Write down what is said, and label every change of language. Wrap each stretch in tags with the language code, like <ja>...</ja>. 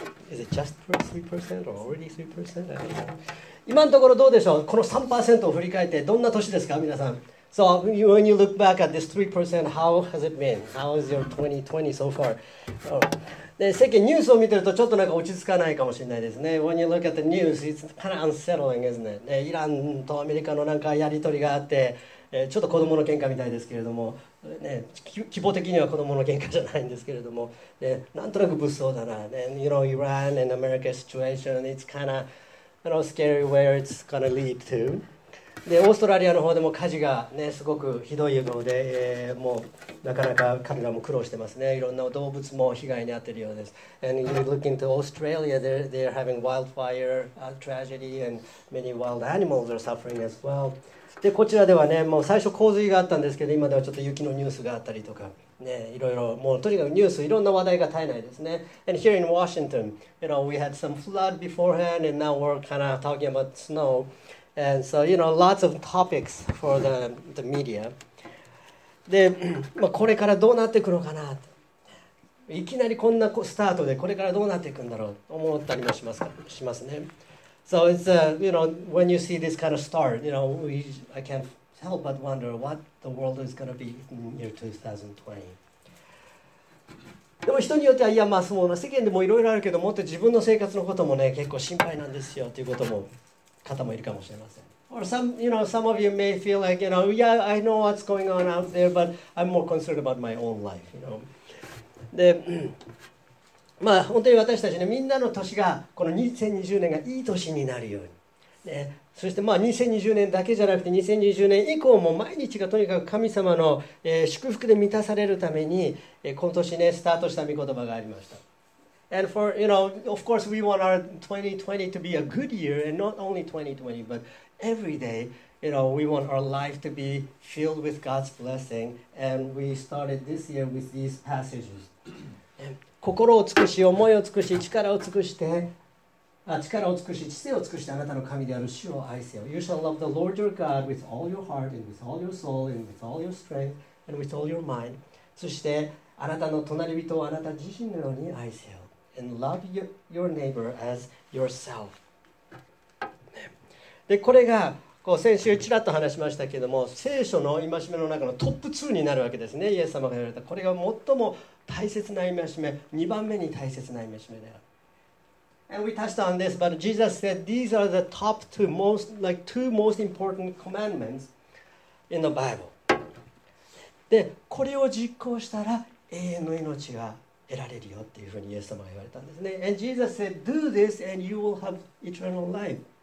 <en>Is it just 3% or already 3%? I don't know.</en> <ja>今のところどうでしょう、この 3% を振り返ってどんな年ですか皆さん。</ja> <en>So when you look back at this 3%, how has it been? How is your 2020 so far?、</en> <ja>で世間ニュースを見てるとちょっとなんか落ち着かないかもしれないですね。</ja> <en>When you look at the news, it's kind of unsettling, isn't it?</en> <ja>イランとアメリカのなんかやり取りがあって、ちょっと子供の喧嘩みたいですけれども、ね、希望的には子供の喧嘩じゃないんですけれども、ね、なんとなく物騒だな。</ja> <en>And, you know, Iran and America situation, it's kind of, you know, scary where it's going to lead to.</en> <ja>で、オーストラリアの方でも火事がね、すごくひどいので、もう、なかなか彼らも苦労してますね。いろんな動物も被害に遭っているようです。</ja> <en>And you look into Australia, they're having wildfire tragedy and many wild animals are suffering as well.</en> <ja>で、こちらではね、もう最初洪水があったんですけど、今ではちょっと雪のニュースがあったりとか、ね、いろいろ、もうとにかくニュース、いろんな話題が絶えないですね。</ja> <en>And here in Washington, you know, we had some flood beforehand and now we're kind of talking about snow. And so, you know, lots of topics for the media.</en> <ja>で、まあ、これからどうなっていくのかな、いきなりこんなスタートでこれからどうなっていくんだろうと思ったりもしますね。</ja> <en>So it's, you know, when you see this kind of start, you know, I can't help but wonder what the world is going to be in year 2020.</en> <ja>でも人によっては、いやまあそう、世間でもいろいろあるけど、もっと自分の生活のこともね、結構心配なんですよということも方もいるかもしれません。</ja> <en>Or some of you may feel like, you know, yeah, I know what's going on out there, but I'm more concerned about my own life, you know.</en> <ja>で、まあ本当に私たちね、みんなの年が、この2020年がいい年になるように。ね、そしてまあ2020年だけじゃなくて、2020年以降も毎日がとにかく神様の、祝福で満たされるために、今年ね、スタートした御言葉がありました。</ja> <en>And for, you know, of course we want our 2020 to be a good year, and not only 2020, but... Every day, you know, we want our life to be filled with God's blessing, and we started this year with these passages.</en> <ja>心を尽くし、思いを尽くし、力を尽くして、力を尽くし、知性を尽くして、あなたの神である主を愛せよ。</ja> <en>You shall love the Lord your God with all your heart and with all your soul and with all your strength and with all your mind.</en> <ja>そして、あなたの隣人をあなた自身のように愛せよ。</ja> <en>And love your neighbor as yourself.</en> <ja>でこれがこう先週ちらっと話しましたけれども、聖書の戒めの中のトップ2になるわけですね。イエス様が言われたこれが最も大切な戒め、2番目に大切な戒めである。</ja> <en>And we touched on this, but Jesus said these are the top two most, like two most important commandments in the Bible.</en> <ja>でこれを実行したら永遠の命が得られるよっていうふうにイエス様が言われたんですね。</ja> <en>And Jesus said, do this and you will have eternal life.</en>